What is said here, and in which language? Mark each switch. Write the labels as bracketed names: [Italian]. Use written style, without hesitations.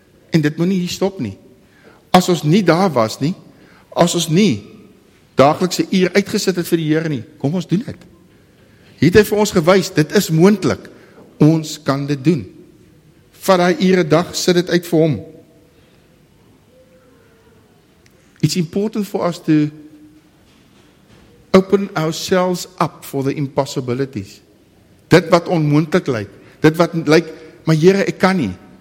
[Afrikaans] En dit moet nie hier stop nie. As ons nie daar was nie, as ons nie daaglikse uur uitgesit het vir die Here nie, kom ons doen dit. Hier het hy vir ons gewys, dit is moontlik. Ons kan dit doen. Vat daai ure dag, sit dit uit vir hom. [English] It's important for us to open ourselves up for the impossibilities. [Afrikaans] Dit wat onmoontlik lyk, dit wat lyk, maar Here, ek kan nie.